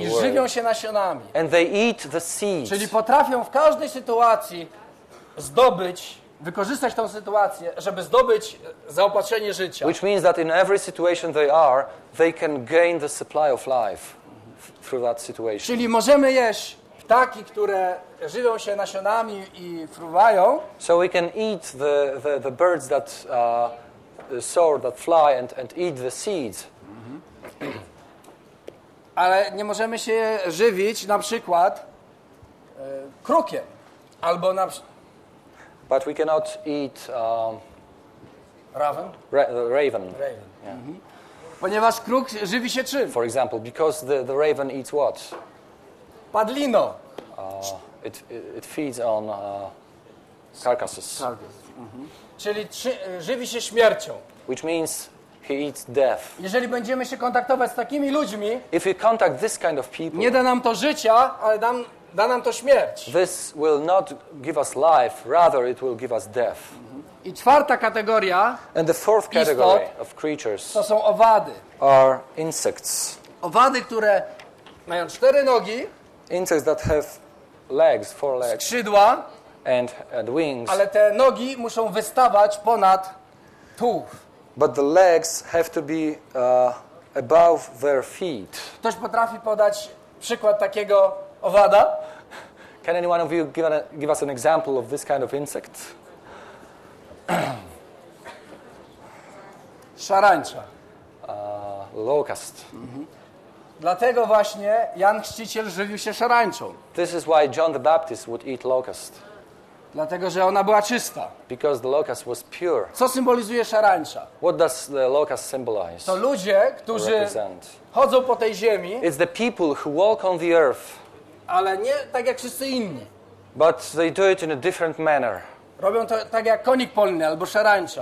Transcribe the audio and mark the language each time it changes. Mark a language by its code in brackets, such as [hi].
[pl] I żywią się nasionami. [en] And they eat the seeds. [pl] Czyli potrafią w każdej sytuacji zdobyć. Wykorzystać tą sytuację, żeby zdobyć zaopatrzenie życia. [en] Which means that in every situation they can gain the supply of life through that situation. [pl] Czyli możemy jeść ptaki, które żywią się nasionami i fruwają. [en] So we can eat the birds that soar, that fly and eat the seeds. Mm-hmm. [pl] Ale nie możemy się żywić na przykład krukiem albo na [en] But we cannot eat raven. Raven. Yeah. Mm-hmm. [pl] Ponieważ kruk żywi się czym? [en] For example, because the raven eats what? [pl] Padlino. [en] It feeds on carcasses. Carcass. Mm-hmm. [pl] Czyli żywi się śmiercią. [en] Which means he eats death. [pl] Jeżeli będziemy się kontaktować z takimi ludźmi, [en] if we contact this kind of people, [pl] nie da nam to życia, ale da nam to śmierć. [en] This will not give us life, rather it will give us death. [pl] I czwarta kategoria. [en] And the fourth category of creatures. [pl] To są owady. [en] Are insects. [pl] Owady, które mają cztery nogi. [en] Insects that have legs, four legs. [pl] Skrzydła. [en] And wings. [pl] Ale te nogi muszą wystawać ponad tułów. [en] But the legs have to be above their feet. [pl] Ktoś potrafi podać przykład takiego owada? [en] Can anyone of you give us an example of this kind of insect? [pl] Szarańcza. [en] Locust. Mm-hmm. [pl] Dlatego właśnie Jan Chrzciciel żywił się szarańczą. [en] This is why John the Baptist would eat locust. [pl] Dlatego, że ona była czysta. [en] Because the locust was pure. [pl] Co symbolizuje szarańcza? [en] What does the locust symbolize? [pl] To ludzie, którzy chodzą po tej ziemi. [en] It's the people who walk on the earth. [pl] Ale nie tak jak wszyscy inni. [en] But they do it in a different manner. [pl] Robią to tak jak konik polny albo szarańcza.